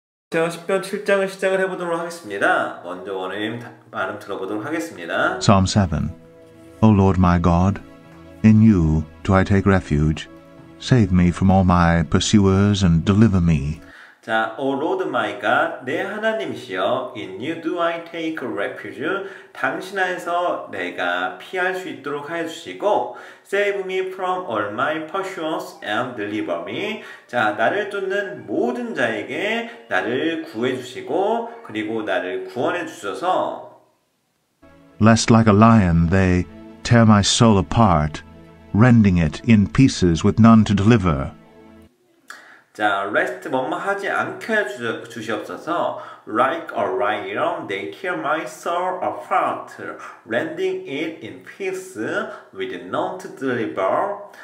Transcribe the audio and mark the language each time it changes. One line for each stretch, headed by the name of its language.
Korean: 자, 10편 7장을 시작을 해보도록 하겠습니다. 먼저 원어민 발음 들어보도록 하겠습니다.
English: Psalm 7. O Lord my God, in you do I take refuge. Save me from all my pursuers and deliver me. 자, O Lord my God,
Korean: 내 하나님이시여,
English: in you do I take refuge.
Korean: 당신 안에서 내가 피할 수 있도록 해주시고,
English: save me from all my pursuers and deliver me.
Korean: 자, 나를 쫓는 모든 자에게 나를 구해주시고, 그리고 나를 구원해주셔서,
English: lest like a lion they tear my soul apart, rending it in pieces with none to deliver.
Korean: 자, rest 뭐뭐 하지 않게 주시옵소서.
English: Like a lion, they tear my soul apart, rending it in pieces with none to deliver.